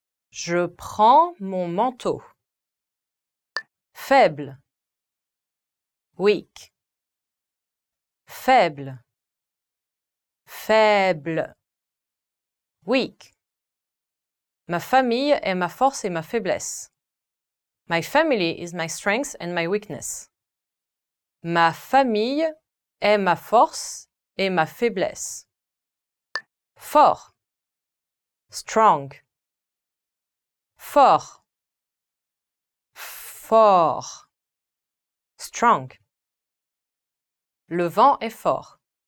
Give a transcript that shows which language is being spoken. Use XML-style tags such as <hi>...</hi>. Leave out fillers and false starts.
<fr>Je prends mon manteau. Faible, weak, faible, faible, weak. Ma famille est ma force et ma faiblesse.</fr> <en>My family is my strength and my weakness.</en> <fr>Ma famille est ma force et ma faiblesse. Fort. Strong. Fort. Fort. Strong. Le vent est fort.</fr>